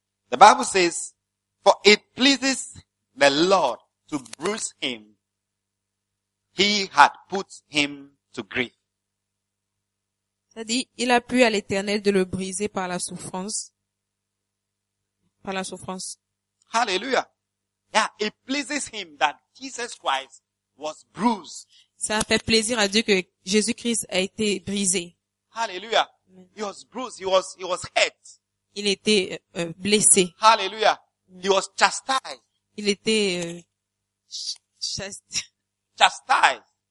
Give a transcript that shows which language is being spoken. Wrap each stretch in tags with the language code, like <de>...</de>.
<en>The Bible says, for it pleases the Lord to bruise him, he had put him to grief.</en> <fr>C'est-à-dire, il a plu à l'Éternel de le briser par la souffrance. Par la souffrance.</fr> <en>Hallelujah. Yeah, it pleases him that Jesus Christ was bruised.</en> <fr>Ça a fait plaisir à Dieu que Jésus-Christ a été brisé.</fr> <en>Hallelujah. He was bruised. He was hurt.</en> <fr>Il était blessé.</fr> <en>Hallelujah. He was chastised.</en> <fr>Il était</fr> <en>chastised.</en>